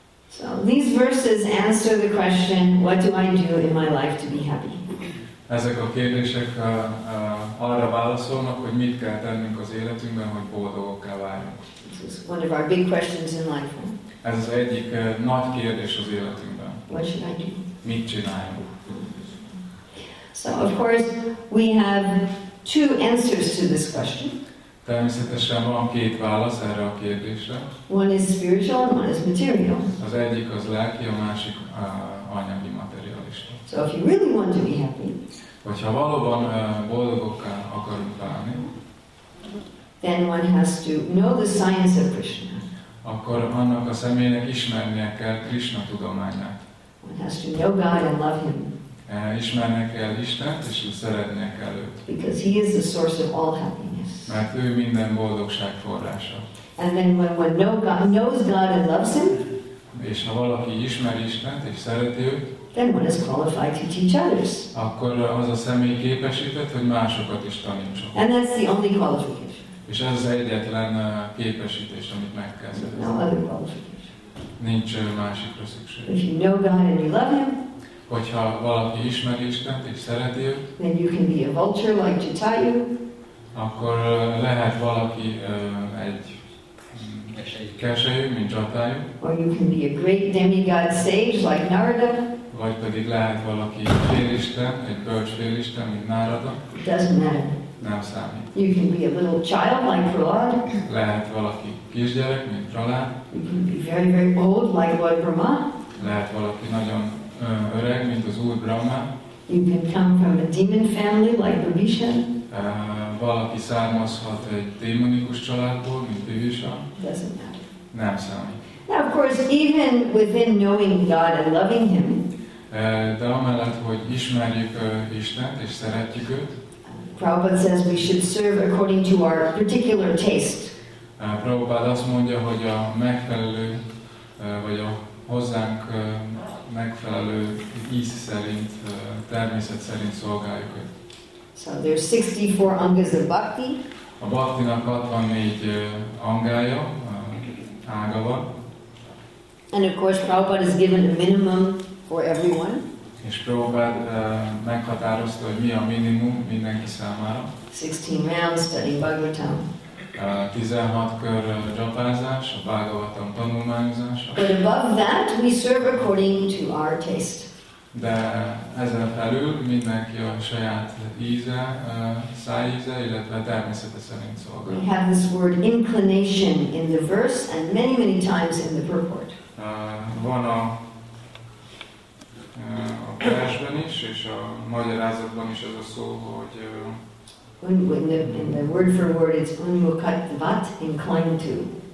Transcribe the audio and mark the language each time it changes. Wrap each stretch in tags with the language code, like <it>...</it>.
<en>So these verses answer the question, what do I do in my life to be happy?</en> <hu>Ezek a kérdések arra válaszolnak, hogy mit kell tennünk az életünkben, hogy boldogokká váljunk.</hu> <en>This is one of our big questions in life.</en> <hu>Ez az egyik nagy kérdés az életünkben.</hu> <en>What should I do?</en> <hu>Mit csináljunk?</hu> <en>So of course we have two answers to this question.</en> <hu>Természetesen van két válasz erre a kérdésre.</hu> <en>One is spiritual, one is material.</en> <hu>Az egyik az lelki, a másik anyagi, materialista.</hu> <en>So if you really want to be happy,</en> <hu>hogyha valóban boldogokká akarunk válni,</hu> <en>then one has to know the science of Krishna.</en> <hu>Akkor annak a személynek ismernie kell Krishna tudományát.</hu> <en>One has to know God and love Him.</en> <hu>Ismernie kell Istent, és szeretnie kell őt.</hu> <en>Because he is the source of all happiness.</en> <hu>Mert ő minden boldogság forrása.</hu> <en>And then when one knows God and loves him,</en> <hu>és ha valaki ismeri Istent, és szereti őt,</hu> <en>then one is qualified to teach others.</en> <hu>Akkor az a személy képesített, hogy másokat is tanítson.</hu> <en>And that's the only qualification.</en> <hu>És ez az egyetlen képesítés, amit meg kell szerezni.</hu> <en>No other qualification.</en> <hu>Nincs másikra szükség.</hu> <en>If you know God and you love him,</en> <hu>hogyha valaki ismeri Istent és szereti őt,</hu> <en>then you can be a vulture like Jatayu.</en> <hu>Akkor lehet valaki egy keselyű, mint Jatayu.</hu> <en>Or you can be a great demigod sage like Narada.</en> <hu>Vagy pedig lehet valaki félisten, egy bölcs félisten, mint Narada.</hu> <en>It doesn't matter.</en> <hu>Nem számít.</hu> <en>You can be a little child like Prahlad.</en> <hu>Lehet valaki kisgyerek, mint Prahlad.</hu> <en>You can be very, very old like Lord Brahma.</en> <hu>Lehet valaki nagyon öreg, mint az Úr Brahma.</hu> <en>You can come from a demon family like Vibhisha.</en> <hu>Valaki származhat egy démonikus családból, mint Vibhisha.</hu> <en>Doesn't matter.</en> <hu>Nem számít.</hu> <en>Now, of course, even within knowing God and loving Him,</en> <hu>de amellett, hogy ismerjük Istent és szeretjük őt,</hu> <en>Prabhupada says we should serve according to our particular taste.</en> <hu>Prabhupada azt mondja, hogy a megfelelő, vagy a hozzánk megfelelő íz szerint, természet szerint szolgáljuk őt.</hu> <en>So there's 64 angas of bhakti.</en> <hu>A bhaktinak 64 angája, ága van.</hu> <en>And of course Prabhupada is given a minimum for everyone.</en> <hu>És Prabhupada meghatározta, hogy mi a minimum mindenki számára.</hu> <en>16 rounds studying Bhagavatam.</en> <hu>16 kör japázás, a Bhagavatam tanulmányozása.</hu> <en>But above that, we serve according to our taste.</en> <hu>De ezen felül mindenki a saját íze, szájíze, illetve természete szerint szolgál.</hu> <en>We have this word inclination in the verse and many, many times in the purport.</en> <hu>Van a versben is, és a magyarázatban is ez a szó, hogy</hu> <en>In the word for word, it's unmukhatvat, inclined to.</en>